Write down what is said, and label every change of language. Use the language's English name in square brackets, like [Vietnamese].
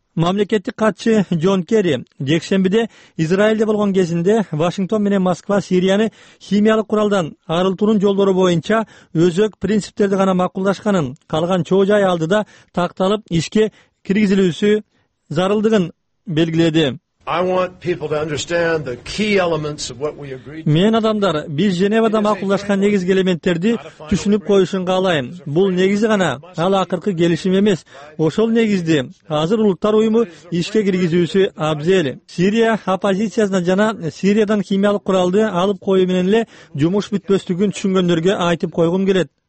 [Kyrgyz] Мамлекеттик катчы Джон Керри жекшембиде Израилде болгон кезинде Вашингтон менен Москва Сирияны химиялык куралдан арылтуунун жолдору боюнча өзөк принциптерди гана макулдашканын, калган чоо жай алдыда такталып ишке киргизилүүсү зарылдыгын белгиледи. [English] I want people to understand the key elements of what we agreed to. [Kyrgyz] Мен адамдар биз Женевада макулдашкан негизги элементтерди түшүнүп коюшун каалайм. Бул негизи гана ал акыркы келишим эмес. Ошол негизди азыр улуттар уюму ишке киргизүүсү абзел. Сирия оппозициясына жана Сириядан химиялык куралды алып коюу менен эле жумуш бүтпөстүгүн түшүнгөндөргө айтып койгум келет.